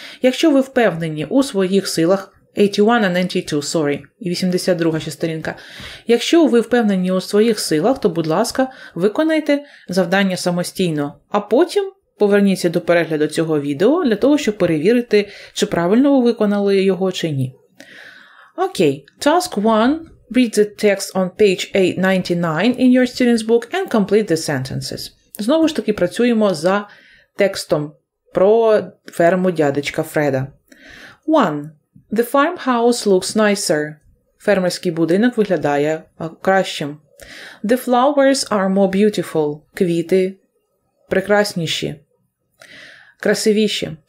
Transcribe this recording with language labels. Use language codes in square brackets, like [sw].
[uk] Якщо ви впевнені у своїх силах, 81 [en] and 92, sorry, [uk] 82 ще сторінка. Якщо ви впевнені у своїх силах, то, будь ласка, виконайте завдання самостійно, а потім поверніться до перегляду цього відео для того, щоб перевірити, чи правильно ви виконали його, чи ні. [en] Окей, task 1. Read the text on page 899 in your student's book and complete the sentences. [uk] Знову ж таки, працюємо за текстом про ферму дядечка Фреда. [en] 1. The farmhouse looks nicer. [uk] Фермерський будинок виглядає кращим. [en] The flowers are more beautiful. [uk] Квіти прекрасніші. Красивіші.